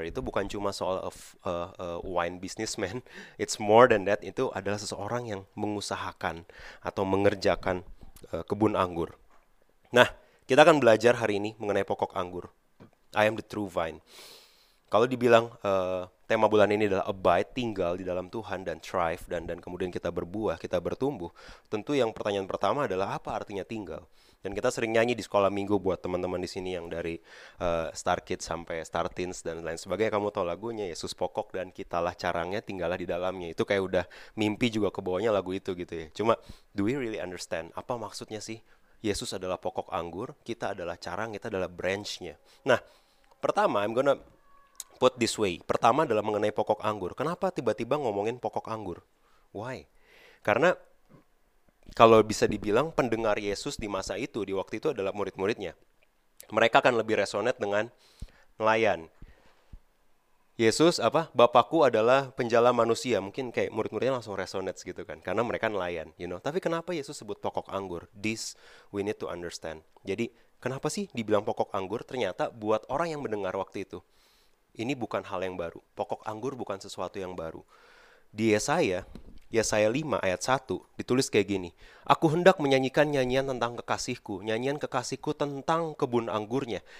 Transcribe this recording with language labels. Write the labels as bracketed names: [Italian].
[Indonesian] Itu bukan cuma soal wine businessman, [English] it's more than that. [Indonesian] Itu adalah seseorang yang mengusahakan atau mengerjakan kebun anggur. Nah, kita akan belajar hari ini mengenai pokok anggur. [English] I am the true vine. [Indonesian] Kalau dibilang tema bulan ini adalah abide, tinggal di dalam Tuhan, dan thrive, dan kemudian kita berbuah, kita bertumbuh, tentu yang pertanyaan pertama adalah apa artinya tinggal? Dan kita sering nyanyi di sekolah minggu buat teman-teman di sini yang dari Star Kids sampai Star Teens dan lain sebagainya. Kamu tahu lagunya, Yesus pokok dan kitalah carangnya, tinggallah di dalamnya. Itu kayak udah mimpi juga kebawahnya lagu itu gitu ya. [English] Cuma, do we really understand? [Indonesian] Apa maksudnya sih? Yesus adalah pokok anggur, kita adalah carang, kita adalah branch-nya. Nah, pertama, [English] I'm gonna put this way. [Indonesian] Pertama adalah mengenai pokok anggur. Kenapa tiba-tiba ngomongin pokok anggur? [English] Why? [Indonesian] Karena kalau bisa dibilang pendengar Yesus di masa itu, di waktu itu adalah murid-muridnya. Mereka akan lebih resonate dengan nelayan. Yesus, Bapakku adalah penjala manusia. Mungkin kayak murid-muridnya langsung resonate gitu kan. Karena mereka nelayan, [English] you know. [Indonesian] Tapi kenapa Yesus sebut pokok anggur? [English] This we need to understand. [Indonesian] Jadi, kenapa sih dibilang pokok anggur? Ternyata buat orang yang mendengar waktu itu, ini bukan hal yang baru. Pokok anggur bukan sesuatu yang baru. Di Yesaya 5 ayat 1 ditulis kayak gini. Aku hendak menyanyikan nyanyian tentang kekasihku, nyanyian kekasihku tentang kebun anggurnya.